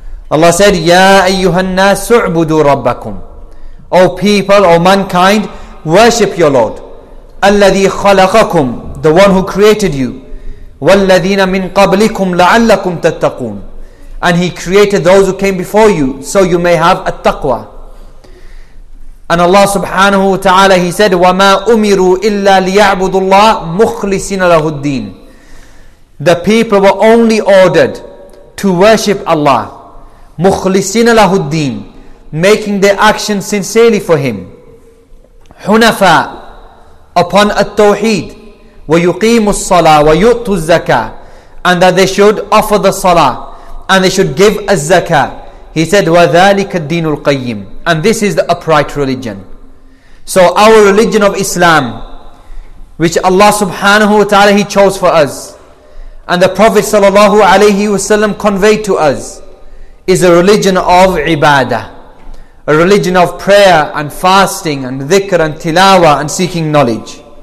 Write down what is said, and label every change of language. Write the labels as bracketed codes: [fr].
[en] Allah said, [ar] Ya ayyuhannas u'budu rabbakum. [en] O people, O mankind, worship your Lord. [ar] الَّذِي خَلَقَكُمْ, [en] the one who created you. [ar] وَالَّذِينَ مِنْ قَبْلِكُمْ لَعَلَّكُمْ تَتَّقُونَ. [en] And He created those who came before you, so you may have التَّقْوَى. [ar] And Allah subhanahu wa ta'ala, [en] He said, [ar] وَمَا أُمِرُوا إِلَّا لِيَعْبُدُ اللَّهِ مُخْلِصِينَ لَهُ الدِّينَ. [en] The people were only ordered to worship Allah. [ar] مُخْلِصِينَ لَهُ الدِّينَ, [en] making their action sincerely for Him. [ar] حُنَفَى, [en] upon at-tawheed, [ar] وَيُقِيمُ الصَّلَاةَ وَيُؤْتُ الزَّكَاةَ. [en] And that they should offer the salah and they should give a zakah. He said, [ar] وَذَلِكَ الدِّينُ الْقَيِّمُ. [en] And this is the upright religion. So our religion of Islam, which Allah subhanahu wa ta'ala, He chose for us, and the Prophet [ar] sallallahu alayhi wa sallam [en] conveyed to us, is a religion of ibadah. A religion of prayer and fasting and dhikr and tilawa and seeking knowledge.